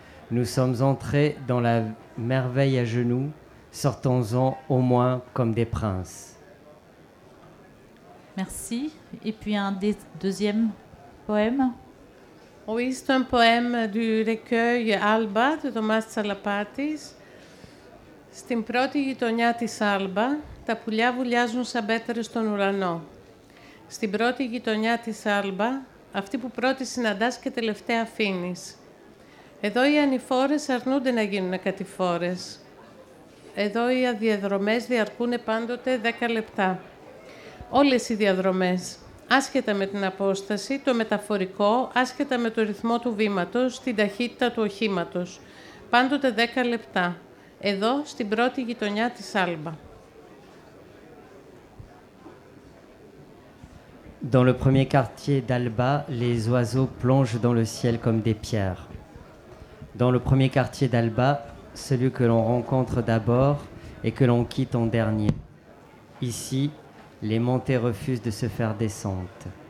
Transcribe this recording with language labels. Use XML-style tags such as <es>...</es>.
<fr>Nous sommes entrés dans la merveille à genoux. Sortons-en au moins comme des princes. Merci. Et puis un deuxième poème. Oui, c'est un poème du recueil Alba de Thomas Tsalapatis.</fr> <el>Στην πρώτη γειτονιά της Alba, τα πουλιά βουλιάζουν σαν πέτρες στον ουρανό. Στην πρώτη γειτονιά της Alba, αυτή που πρώτη συναντάς και τελευταία αφήνεις. Εδώ οι ανηφόρες αρνούνται να γίνουν κατηφόρες. Εδώ οι αδιαδρομές διαρκούν πάντοτε 10 λεπτά. Όλες οι διαδρομές. Άσχετα με την απόσταση, το μεταφορικό, άσχετα με το ρυθμό του βήματος, την ταχύτητα του οχήματος. Πάντοτε 10 λεπτά. Εδώ, στην πρώτη γειτονιά της Alba.</el> <fr>Dans le premier quartier d'Alba, les oiseaux plongent dans le ciel comme des pierres. Dans le premier quartier d'Alba, celui que l'on rencontre d'abord et que l'on quitte en dernier. Ici, les montées refusent de se faire descente.</fr>